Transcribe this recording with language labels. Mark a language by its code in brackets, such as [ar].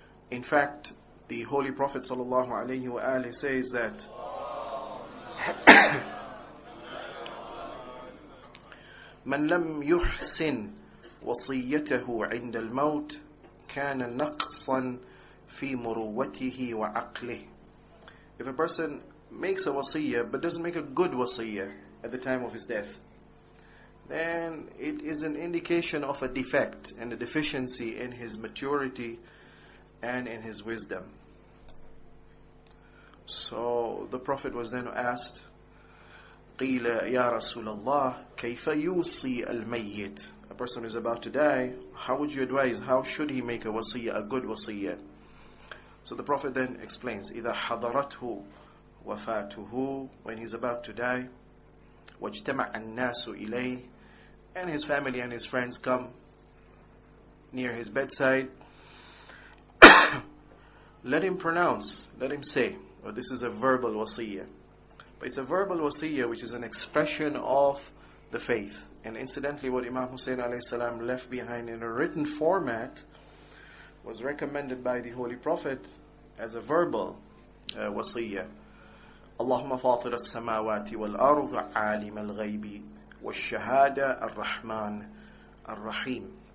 [en] In fact, the Holy Prophet [ar] sallallahu alaihi wa alihi [en] says that [ar] من لم يحسن وصيته عند الموت كان نقصا في مروته وعقله. [en] If a person makes a wasiyah but doesn't make a good wasiyah at the time of his death, then it is an indication of a defect and a deficiency in his maturity and in his wisdom. So the Prophet was then asked, [ar] قيل يا رسول الله كيف يوصي الميت. [en] A person who is about to die, how would you advise, how should he make a wasiyah, a good wasiyah? So the Prophet then explains, [ar] إذا حضرته وفاته, [en] when he's about to die, [ar] واجتمع الناس إليه, [en] and his family and his friends come near his bedside, let him pronounce, let him say, well, this is a verbal wasiyah. But it's a verbal wasiyah which is an expression of the faith. And incidentally, what Imam Hussein alayhi salam left behind in a written format was recommended by the Holy Prophet as a verbal wasiyah. [ar] اللهم فاطر السماوات والأرض عالم الغيب والشهادة الرحمن الرحيم.